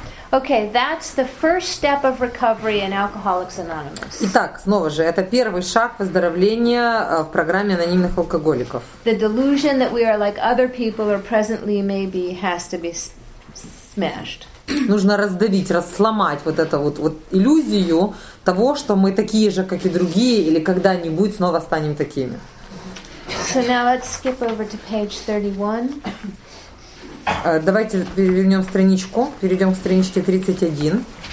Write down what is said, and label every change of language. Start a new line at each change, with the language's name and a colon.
English: Okay, that's the first step of recovery in Alcoholics Anonymous.
Russian: Итак, снова же, это первый шаг выздоровления в программе анонимных алкоголиков.
English: The delusion that we are like other people or presently maybe has to be smashed.
Russian: Нужно раздавить, расломать вот эту вот иллюзию того, что мы такие же, как и другие, или когда-нибудь снова станем такими.
English: So now let's skip over to page 31.
Russian: Давайте перевернем страничку. Перейдем к страничке 31.